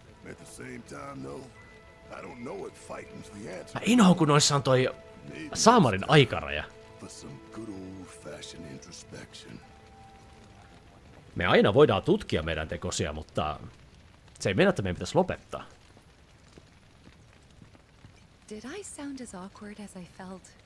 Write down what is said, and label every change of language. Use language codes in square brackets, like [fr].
[en] At the same time, though, I don't know what fighting's the answer. [fi] Mä inhoan, kun noissa on toi saamarin aikaraja. [en] For some good old-fashioned introspection. [fi] Me aina voidaan tutkia meidän tekosia, mutta se ei mennä, että meidän pitäisi lopettaa. [en] Did I sound as awkward as I felt?